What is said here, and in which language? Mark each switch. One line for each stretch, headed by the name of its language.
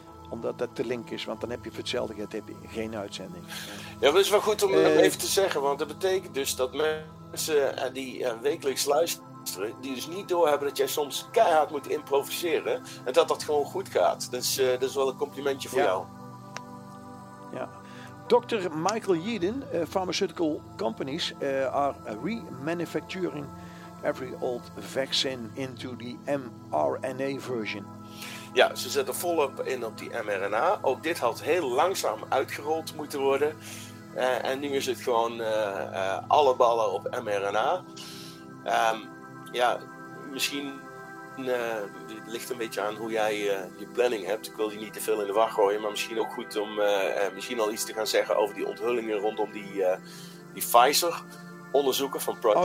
Dutch: Omdat dat te link is, want dan heb je voor hetzelfde geld heb je geen uitzending. Ja, maar het is wel goed om even te zeggen. Want dat betekent dus dat mensen die wekelijks luisteren, die dus niet doorhebben dat jij soms keihard moet improviseren en dat dat gewoon goed gaat. Dus dat is wel een complimentje voor jou. Ja. Dr.
English: Michael Yeadon, Pharmaceutical Companies are remanufacturing every old vaccine into the mRNA version.
Dutch: Ja, ze zetten volop in op die mRNA. Ook dit had heel langzaam uitgerold moeten worden. En nu is het gewoon alle ballen op mRNA. Ja, misschien het ligt een beetje aan hoe jij je planning hebt. Ik wil je niet te veel in de wacht gooien, maar misschien ook goed om misschien al iets te gaan zeggen over die onthullingen rondom die Pfizer-onderzoeker van Project.